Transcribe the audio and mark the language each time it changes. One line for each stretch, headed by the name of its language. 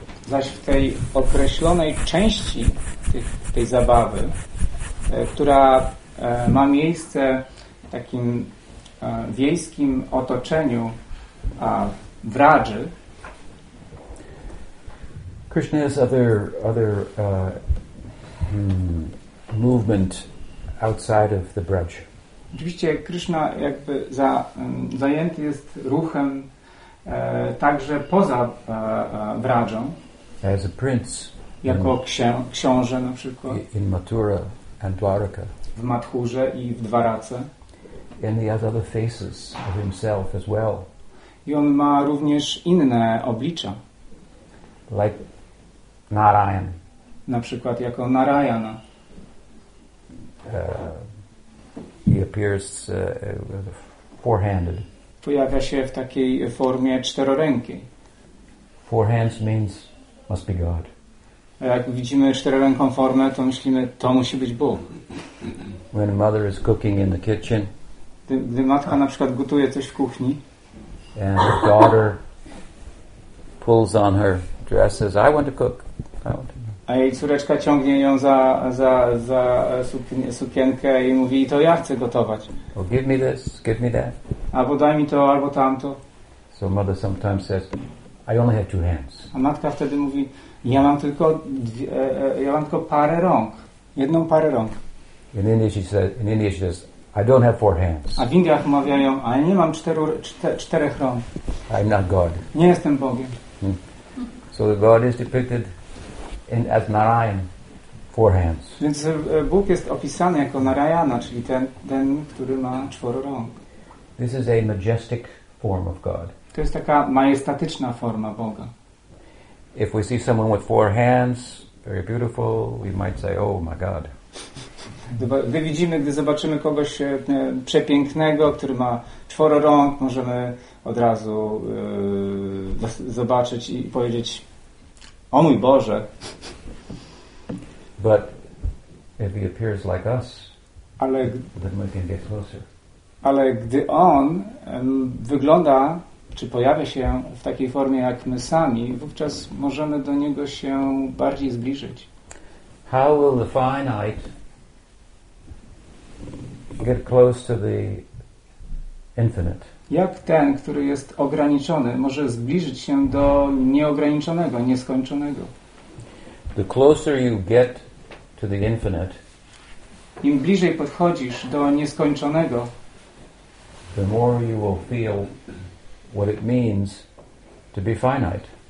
Polish: Zaś w tej określonej części tej zabawy, która ma miejsce w takim wiejskim otoczeniu w Braży.
English: Krishna has other movement outside of the Braj.
Polish: Oczywiście Krishna jakby zajęty jest ruchem także poza Brają.
English: As a prince.
Polish: Jako książę na przykład.
English: In Mathura and Dwaraka.
Polish: W Mathurze i w Dwarace.
English: And he has other faces of himself as well.
Polish: I on ma również inne oblicza.
English: like Narayan.
Polish: Na przykład jako Narayana.
English: He appears four-handed.
Polish: Pojawia się w takiej formie czterorękiej.
English: Four hands means must be God.
Polish: Jak widzimy czteroręką formę, to myślimy, to musi być Bóg.
English: When a mother is cooking in the kitchen,
Polish: gdy matka na przykład gotuje coś w kuchni,
English: and her daughter pulls on her dress, says, "I want to cook."
Polish: A jej córeczka ciągnie ją za sukienkę i mówi, to ja chcę gotować.
English: Oh, give me this, give me that.
Polish: Albo daj mi to, albo tamto.
English: So mother sometimes says, "I only have two hands."
Polish: A matka wtedy mówi, ja mam tylko tylko parę rąk, jedną parę rąk.
English: In India she says, "I don't have four hands."
Polish: A w Indiach mawiają, a nie mam czterech rąk.
English: I'm not God.
Polish: Nie jestem Bogiem. Hmm.
English: So the God is depicted in as Narayan, four hands.
Polish: Więc Bóg jest opisany jako Narayana, czyli ten, który ma czworo rąk.
English: This is a majestic form of God.
Polish: To jest taka majestatyczna forma Boga.
English: If we see someone with four hands, very beautiful, we might say, "Oh my God."
Polish: Gdy zobaczymy kogoś przepięknego, który ma czworo rąk, możemy od razu zobaczyć i powiedzieć, o mój Boże.
English: But if he appears like us,
Polish: ale,
English: then we can get closer.
Polish: Ale gdy on wygląda, czy pojawia się w takiej formie jak my sami, wówczas możemy do niego się bardziej zbliżyć.
English: How will the finite get close to the infinite?
Polish: Jak ten, który jest ograniczony, może zbliżyć się do nieograniczonego, nieskończonego?
English: The closer you get to the infinite,
Polish: im bliżej podchodzisz do nieskończonego,
English: the more you will feel what it means to be finite.